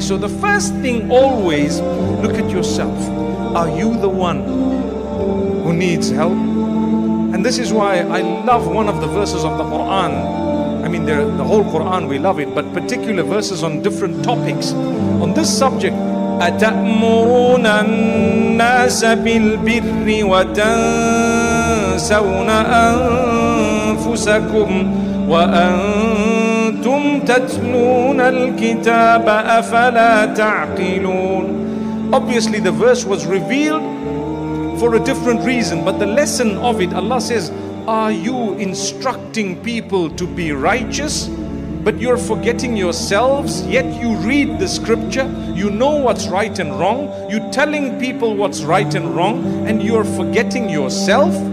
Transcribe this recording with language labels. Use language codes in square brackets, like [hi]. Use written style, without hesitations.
[en] So the first thing, always look at yourself. Are you the one who needs help? And this is why I love one of the verses of the Quran. I mean, the whole Quran, we love it, but particular verses on different topics on this subject. [ar] أتأمرون الناس بالبر وتنسون أنفسكم وأنتم تتلون الكتاب أفلا تعقلون. [en] Obviously the verse was revealed for a different reason, but the lesson of it, Allah says, are you instructing people to be righteous? But you're forgetting yourselves, yet you read the scripture, you know what's right and wrong, you're telling people what's right and wrong, and you're forgetting yourself.